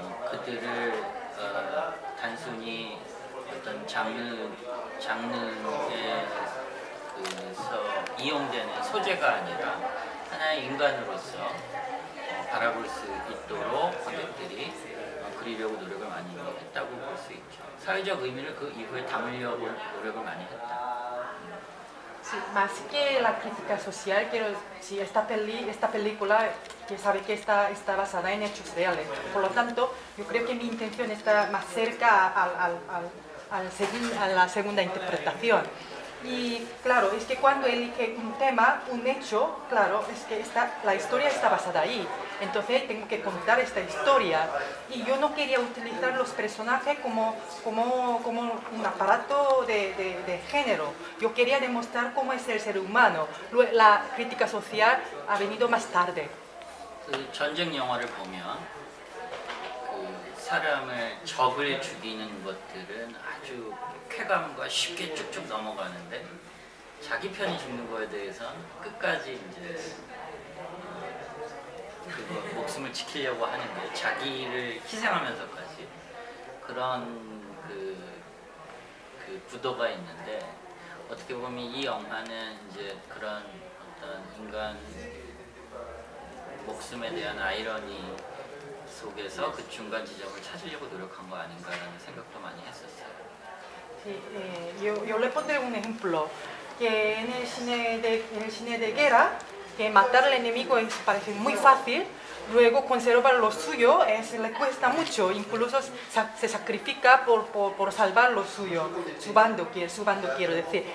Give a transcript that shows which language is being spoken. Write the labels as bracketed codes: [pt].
[ko] 그들을 단순히 어떤 장르에서 이용되는 소재가 아니라 하나의 인간으로서 바라볼 수 있도록 관객들이 그리려고 노력을 많이 했다고 볼 수 있죠. 사회적 의미를 그 이후에 담으려고 노력을 많이 했다. [es] Sí, más que la crítica social, quiero decir, esta película que sabe que está basada en hechos reales. Por lo tanto, yo creo que mi intención está más cerca a la segunda interpretación. Y claro, es que cuando elige un tema, un hecho, claro, es que la historia está basada ahí. Entonces tengo que contar esta historia. Y yo no quería utilizar los personajes como un aparato de género. Yo quería demostrar cómo es el ser humano. La crítica social ha venido más tarde. [ko] 전쟁 영화를 보면 사람을 적을 죽이는 것들은 아주 쾌감과 쉽게 쭉쭉 넘어가는데 자기 편이 죽는 거에 대해서는 끝까지 이제 그거 목숨을 지키려고 하는 게 자기를 희생하면서까지 그런 그 구도가 있는데 어떻게 보면 이 영화는 이제 그런 어떤 인간 목숨에 대한 아이러니 속에서 그 중간 지점을 찾으려고 노력한 거 아닌가라는 생각도 많이 했었어요. [es] Yo le pondré un ejemplo que en el cine de guerra que matar al enemigo parece muy fácil, luego conservar lo suyo le cuesta mucho, incluso se sacrifica por salvar lo suyo, su bando quiero decir.